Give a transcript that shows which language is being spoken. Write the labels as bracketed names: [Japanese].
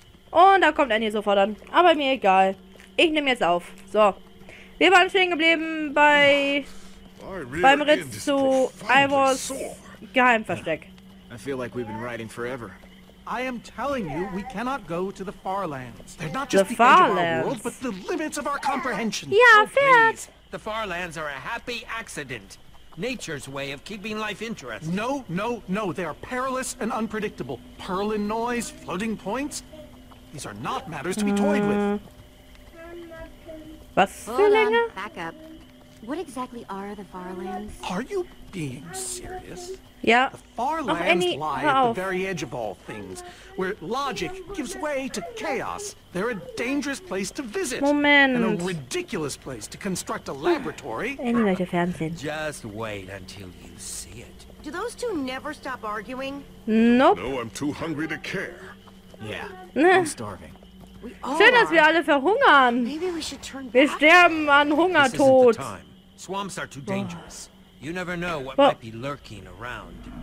[German] Und da kommt Annie sofort an. Aber mir egal. Ich nehme jetzt auf. So. Wir waren stehen geblieben bei... beim Ritt zu Ivors Geheimversteck. [English] I feel like we've been riding forever. I am telling you, we cannot go to the far lands. They're not just the edge of our world, but the limits of our comprehension. [German] Ja, fährt. [English] The far lands are a happy accident. Nature's way of keeping life interesting. No, no, no. They are perilous and unpredictable. Purling noise, floating points. These are not matters to be toyed with. [German] Was für Länge? [English] Back up. What exactly are the far lands? Are you being serious? Yeah. The far lands lie at the very edge of all things, where logic gives way to chaos. They're a dangerous place to visit. [German] Moment. [English] And a ridiculous place to construct a laboratory. Just wait until you see it. Do those two never stop arguing? Nope. No, I'm too hungry to care. Yeah. I'm starving. [German] Schön, dass wir alle verhungern. Wir sterben an Hungertod. [English] Swamps are too dangerous. You never know what might be lurking around.